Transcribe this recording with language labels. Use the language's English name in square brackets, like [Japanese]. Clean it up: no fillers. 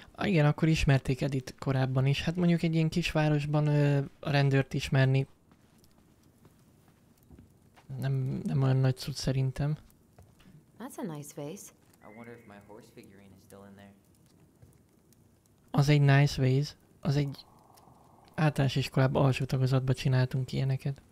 [Hungarian] Igen, akkor ismerték Edit korábban is. Hát mondjuk egy ilyen kisvárosban a rendőrt ismerni nem olyan nagy cucc szerintem. [English] That's a nice vase. I wonder if my horse figurine is still in there. [Hungarian] Az egy [English] nice vase. [Hungarian] Az egy általános iskolában alsó tagozatban csináltunk ilyeneket.